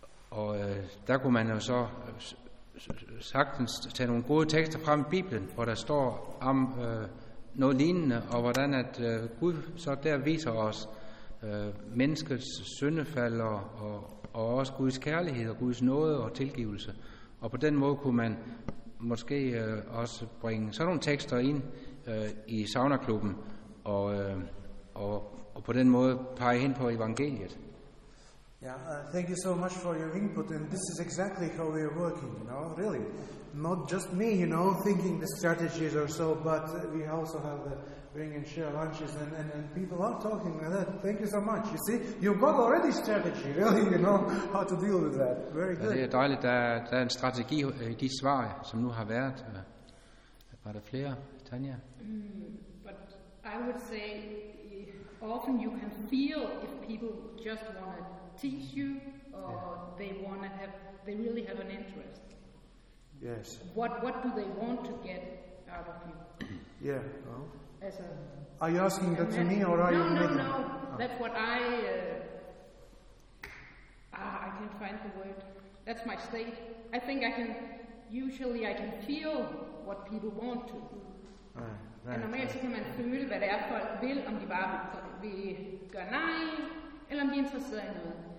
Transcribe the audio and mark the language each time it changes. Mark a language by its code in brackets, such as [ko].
[da] Og der kunne man jo så sagtens tage nogle gode tekster frem i Bibelen, hvor der står om noget lignende, og hvordan at Gud så der viser os menneskets syndefald og også Guds kærlighed og Guds nåde og tilgivelse. Og på den måde kunne man måske også bringe sådan nogle tekster ind i saunaklubben og på den måde pege hen på evangeliet. [en] Yeah, thank you so much for your input, and this is exactly how we are working, you know, really. Not just me, you know, thinking the strategies or so, but we also have the bring and share lunches, and people are talking like that. Thank you so much. You see, you've got already strategy, really, you know, how to deal with that. Very good. [da] Det er dejligt, der er en strategi i de svar, som nu har været. Var der flere, Tanja? [en] But I would say, often you can feel if people just want to teach you, or they really have an interest. Yes. What do they want to get out of you? Yeah. As a, are you asking that to me, or are you? No. Oh. That's what I. I can't find the word. That's my state. I think I can. Usually, I can feel what people want to. Right. [da] And normalt kan man føle, hvad det er folk vil, om de bare vil gøre nej, eller om de er interesseret i noget.